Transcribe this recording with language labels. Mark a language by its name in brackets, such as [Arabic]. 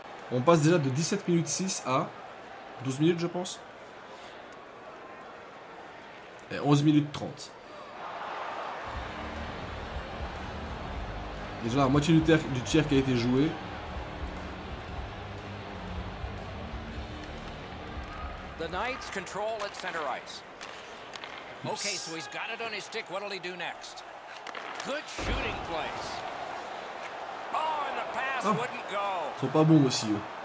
[French] On passe déjà de 17 minutes 6 à 12 minutes, je pense. Et 11 minutes 30. Déjà, la moitié du tiers qui a été joué. [English] The Knights control at center ice. Okay, so he's got it on his stick. What'll he do next? Good shooting place. [French] Ah, ils sont pas bons aussi eux.